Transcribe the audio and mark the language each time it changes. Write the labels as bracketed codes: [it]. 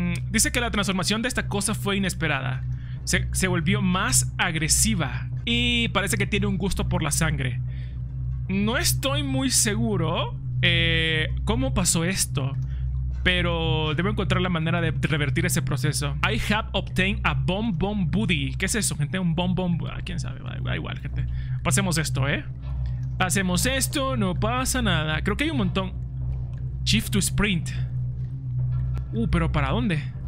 [es] Dice que la transformación de esta cosa fue inesperada. Se volvió más agresiva. Y parece que tiene un gusto por la sangre. No estoy muy seguro cómo pasó esto. Pero debo encontrar la manera de revertir ese proceso. [en] I have obtained a bomb bomb booty. [es] ¿Qué es eso, gente? Un bomb bomb. ¿Quién sabe? Da igual, gente. Pasemos esto, Pasemos esto, no pasa nada. Creo que hay un montón. [en] Shift to sprint. [es] ¿Pero para dónde?